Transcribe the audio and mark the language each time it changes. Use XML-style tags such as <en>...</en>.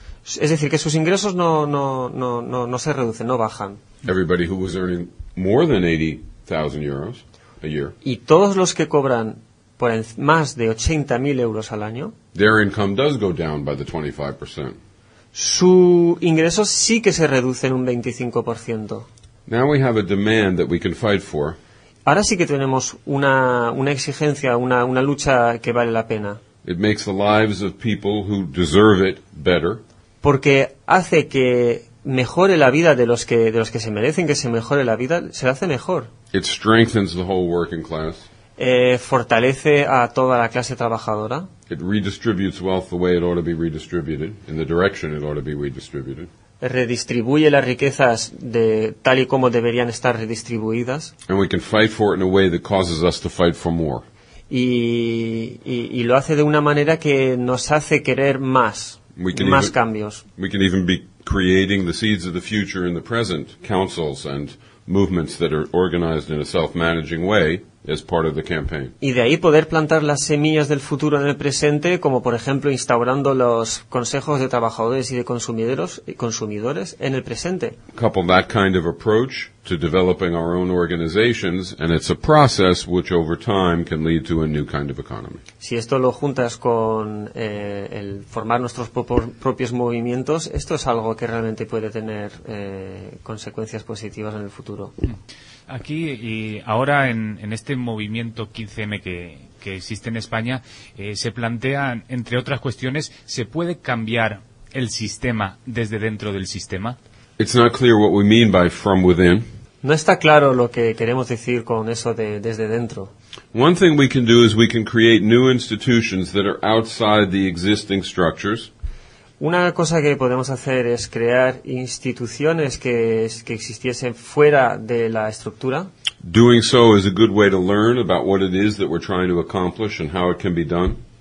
<es>Es decir, que sus ingresos no se reducen, no bajan.</es> <en>Everybody who was earning more than 80,000 euros a year.</en> <es>Y todos los que cobran por más de 80.000 euros al año,</es> <en>their income does go down by the 25%.</en> <es>Su ingreso sí que se reduce en un 25%.</es> <en>Now we have a demand that we can fight for.</en> <es>Ahora sí que tenemos una exigencia, una lucha que vale la pena.</es> <en>It makes the lives of people who deserve it better.</en> <es>Porque hace que mejore la vida de los que se merecen que se mejore la vida, se la hace mejor.</es> <en>It strengthens the whole working class.</en> <es>Fortalece a toda la clase trabajadora.</es> <en>It redistributes wealth the way it ought to be redistributed, in the direction it ought to be redistributed.</en> <es>Redistribuye las riquezas de tal y como deberían estar redistribuidas.</es> <en>And we can fight for it in a way that causes us to fight for more.</en> <es>Y lo hace de una manera que nos hace querer más. Más cambios.</es> <en>We can even be creating the seeds of the future in the present, councils and movements that are organized in a self-managing way as part of the campaign.</en> <es>Y de ahí poder plantar las semillas del futuro en el presente, como por ejemplo instaurando los consejos de trabajadores y de consumidores en el presente.</es> <en>Couple that kind of approach to developing our own organizations, and it's a process which over time can lead to a new kind of economy.</en> <es>Si esto lo juntas con el formar nuestros propios movimientos, esto es algo que realmente puede tener consecuencias positivas en el futuro. Aquí y ahora en este movimiento 15M que existe en España, se plantean, entre otras cuestiones, ¿se puede cambiar el sistema desde dentro del sistema?</es> <en>It's not clear what we mean by from within.</en> <es>No está claro lo que queremos decir con eso de desde dentro.</es> <en>One thing we can do is we can create new institutions that are outside the existing structures.</en> <es>Una cosa que podemos hacer es crear instituciones que existiesen fuera de la estructura.</es> <en>Doing so is a good way to learn about what it is that we're trying to accomplish and how it can be done.</en>